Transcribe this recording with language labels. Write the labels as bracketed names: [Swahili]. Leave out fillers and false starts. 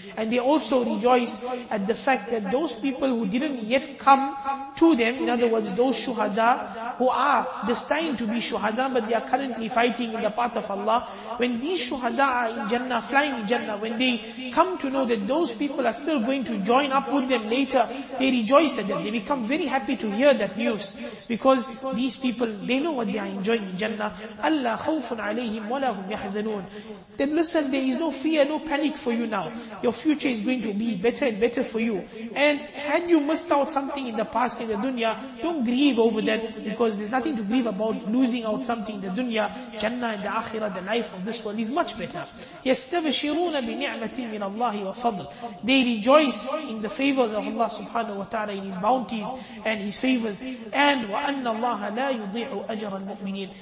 [English] And they also rejoice at the fact that those people who didn't yet come to them, in other words, those shuhada who are destined to be shuhada, but they are currently fighting in the path of Allah, when these shuhada are in Jannah, flying in Jannah, when they come to know that those people are still going to join up with them later, they rejoice at that. They become very happy to hear that news, because these people, they know what they are enjoying in Jannah. [Arabic] Allah خَوْفٌ عَلَيْهِمْ وَلَا هُمْ يَحْزَنُونَ. [English] Then listen, there is no fear, no panic for you now. Your future is going to be better and better for you. And had you missed out something in the past in the dunya, don't grieve over that, because there's nothing to grieve about losing out something in the dunya. Jannah and the akhirah, the life of this world is much better. [Arabic] يَسْتَبْشِرُونَ بِنِعْمَةٍ مِنَ اللَّهِ وَفَضْلٍ. [English] They rejoice in the favors of Allah subhanahu wa ta'ala, in His bounties and His favors. [Arabic] And وَأَنَّ اللَّهَ لَا يُضِيعُ أَجْرَ الْمُؤْمِنِينَ.